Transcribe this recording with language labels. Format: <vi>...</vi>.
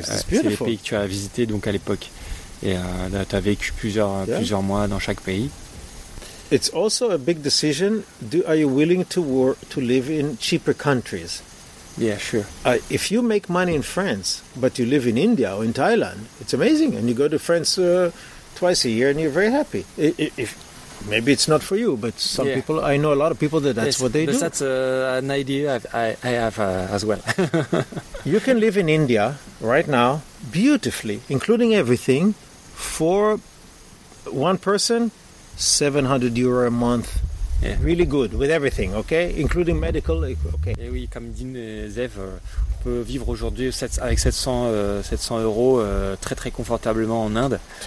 <fr>Ouais, c'est les pays que tu as visités donc à l'époque, et tu as vécu plusieurs mois dans chaque pays.</fr> <en>It's also a big decision. Are you willing to live in cheaper countries? Yeah, sure. If you make money in France, but you live in India or in Thailand, it's amazing. And you go to France twice a year and you're very happy. Maybe it's not for you, but some people, I know a lot of people that's what they do. That's an idea I have as well. You can live in India right now beautifully, including everything, for one person, €700 a month, really good with everything, okay, including medical. Okay.</en> <fr>Et oui, comme dit Zev, on peut vivre aujourd'hui avec 700 euros très très confortablement en Inde.</fr>